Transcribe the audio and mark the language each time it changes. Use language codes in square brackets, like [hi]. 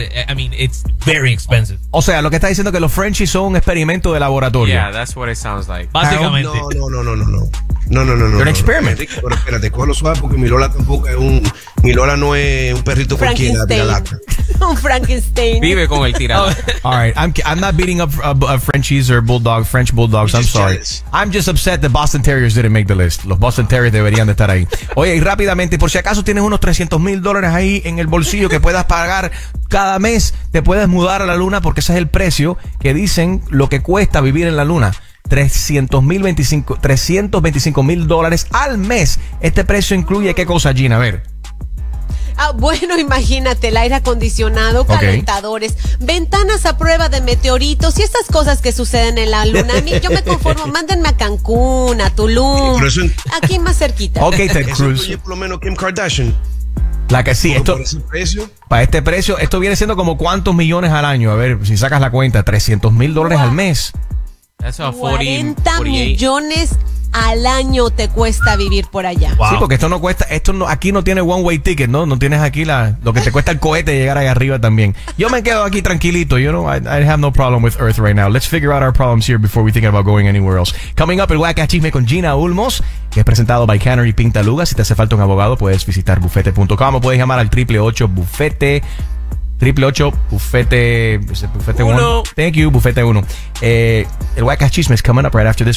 [en] I mean, it's very expensive. [es] O sea, lo que está diciendo que los Frenchies son un experimento de laboratorio. [en] Yeah, that's what it sounds like. [es] Básicamente. No. Es un experimento. No. Pero espérate, cógelo suave porque mi Lola no es un perrito cualquiera de la lata. Un Frankenstein. Vive con el tirador. [en] All right, I'm not beating up a Frenchies or Bulldog, French Bulldogs. You're, I'm sorry. Jealous. I'm just upset that Boston Terriers didn't make the list. [es] Los Boston Terriers deberían de estar ahí. Oye, y rápidamente, por si acaso tienes unos $300,000 ahí en el bolsillo que puedas pagar cada mes, te puedes mudar a la luna porque ese es el precio que dicen lo que cuesta vivir en la luna. $325,000 al mes. Este precio incluye qué cosa, Gina? A ver. Ah, bueno, imagínate, el aire acondicionado, calentadores, ventanas a prueba de meteoritos y esas cosas que suceden en la luna. A mí, yo me conformo, mándenme a Cancún, a Tulum, aquí más cerquita. Ok, Ted Cruz. Por lo menos Kim Kardashian. La que sí, esto. Para este precio, esto viene siendo como cuántos millones al año. A ver, si sacas la cuenta, $300,000 al mes. [en] That's a 40 [es] millones al año te cuesta vivir por allá. Wow. Sí, porque esto no cuesta, esto no, aquí no tiene [en] one way ticket, [es] ¿no? No tienes aquí la, lo que te cuesta el cohete llegar ahí arriba también. Yo me quedo aquí tranquilito, [en] you know, I have no problem with Earth right now. Let's figure out our problems here before we think about going anywhere else. Coming up, [es] el Guaca Chisme con Gina Ulmos, que es presentado by Canary Pintaluga. Si te hace falta un abogado, puedes visitar bufete.com o puedes llamar al 888-BUFETE. [en] 888-BUFETE-1. Thank you, Bufete 1. El Guaca Chisme is coming up right after this.